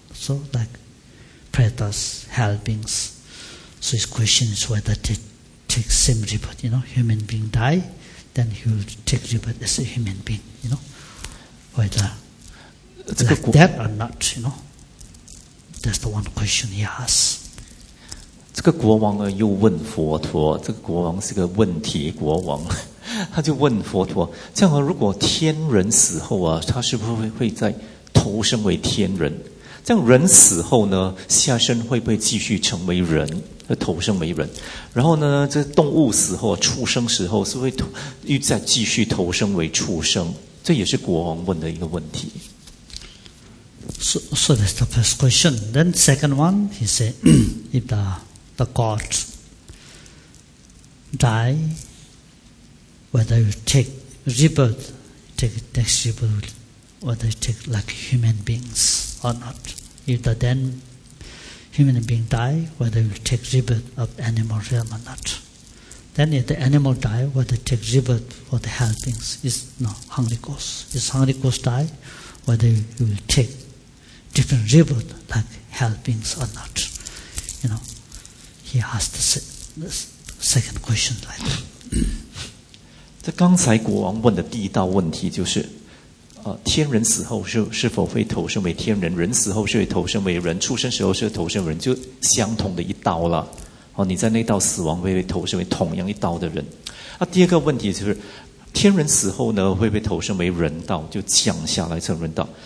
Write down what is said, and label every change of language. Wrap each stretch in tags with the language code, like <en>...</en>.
<en>So like predators, hell beings. So his question is whether they take same rebirth, you know, human being die, then he will take rebirth as a human being, you know. Whether like that or not, you know. That's the one question he asks.</en> <zh>这个国王呢又问佛陀，这个国王是个问题国王，他就问佛陀，这样如果天人死后啊，他是不是会再投生为天人？这样人死后呢，下生会不会继续成为人，投生为人？然后呢，这动物死后，畜生死后，是不是会又再继续投生为畜生？这也是国王问的一个问题。</zh> <en>So that's the first question. Then second one, he said, if the God die, whether you take rebirth, take next rebirth, whether you take like human beings or not. If the then human being die, whether you take rebirth of animal realm or not. Then if the animal die, whether you take rebirth for the hell beings, is no, hungry ghost. If hungry ghost die, whether you will take different rebirth like hell beings or not. You know, he asked the second question like that.</en> <zh>这刚才国王问的第一道问题就是天人死后 是否会投生为天人，人死后是会投生为人，畜生时候是会投生为人，就相同的一道了。你在那道死亡 会投生为同样一道的人。第二个问题就是天人死后呢会被投生为人道，就降下来成人道。</zh>